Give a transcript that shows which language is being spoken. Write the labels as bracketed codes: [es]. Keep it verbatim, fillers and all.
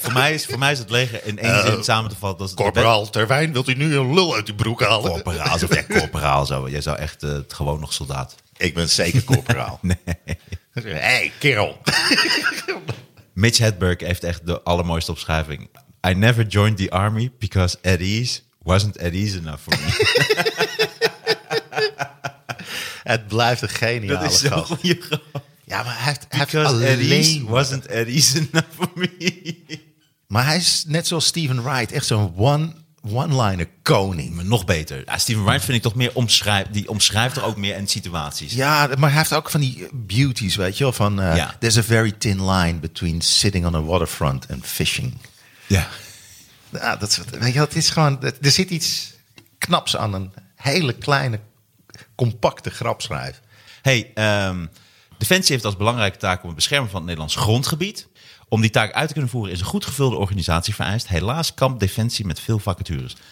[nl] Voor mij, is, voor mij is het leger in één zin samen te vatten. Dat is het Corporaal Terwijn, wilt u nu een lul uit die broek halen? Corporaal, alsof jij corporaal zou. Jij zou echt eh, gewoon nog soldaat. Ik ben zeker corporaal. Hé, hey, kerel. Mitch Hedberg heeft echt de allermooiste omschrijving. [en] I never joined the army because at ease wasn't at ease enough for me. [nl] Het blijft een geniale Dat is zo'n gast. goeie grap. Ja, maar hij heeft, hij heeft [en] Because at ease [nl] alleen... [en] wasn't at ease enough for me. [nl] Maar hij is net zoals Steven Wright, echt zo'n one, one-liner koning. Maar nog beter. Ja, Steven Wright vind ik toch meer omschrijft. Die omschrijft er ook meer in situaties. Ja, maar hij heeft ook van die eh, beauties, weet je wel. Van, eh, Ja. [en] There's a very thin line between sitting on a waterfront and fishing. [nl] Ja. Ja, dat, soort- weet je wel, het is gewoon, er zit iets knaps aan een hele kleine compacte grap schrijf. Hey, um, Defensie heeft als belangrijke taak om het beschermen van het Nederlands grondgebied. Om die taak uit te kunnen voeren is een goed gevulde organisatie vereist. Helaas kampt Defensie met veel vacatures.